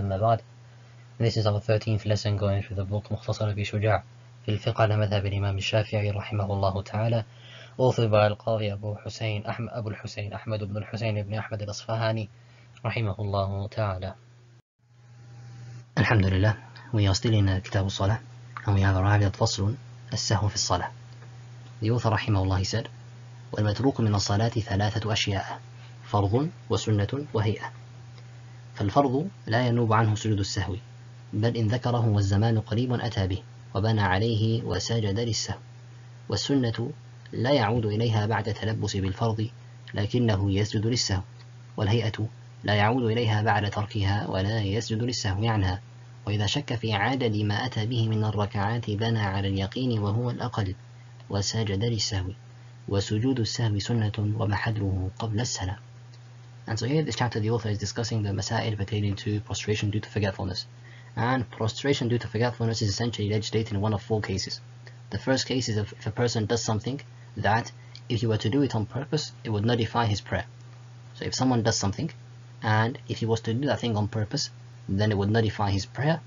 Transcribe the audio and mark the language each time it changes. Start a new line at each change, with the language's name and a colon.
Arabic: أما بعد,
English: this is our 13th lesson going through the book
Arabic: مختصر في شجاع في الفقه على مذهب الإمام الشافعي رحمه الله تعالى,
English: authored by
Arabic: القاضي أبو حسين أحمد أبو الحسين أحمد بن الحسين بن أحمد الأصفهاني رحمه الله تعالى. الحمد لله,
English: we are still in
Arabic: كتاب الصلاة
English: and we have arrived at
Arabic: فصل السهو في الصلاة.
English: The author
Arabic: رحمه الله said, والمتروك من الصلاة ثلاثة أشياء: فرض وسنة وهيئة. فالفرض لا ينوب عنه سجود السهو, بل إن ذكره والزمان قريب أتى به وبنى عليه وسجد للسهو. والسنة لا يعود إليها بعد تلبس بالفرض لكنه يسجد للسهو. والهيئة لا يعود إليها بعد تركها ولا يسجد للسهو عنها. وإذا شك في عدد ما أتى به من الركعات بنى على اليقين وهو الأقل وسجد للسهو. وسجود السهو سنة ومحله قبل السلام.
English: And so here this chapter the author is discussing the masail pertaining to prostration due to forgetfulness. And prostration due to forgetfulness is essentially legislated in one of four cases. The first case is if a person does something that if he were to do it on purpose, it would nullify his prayer. So if someone does something and if he was to do that thing on purpose, then it would nullify his prayer.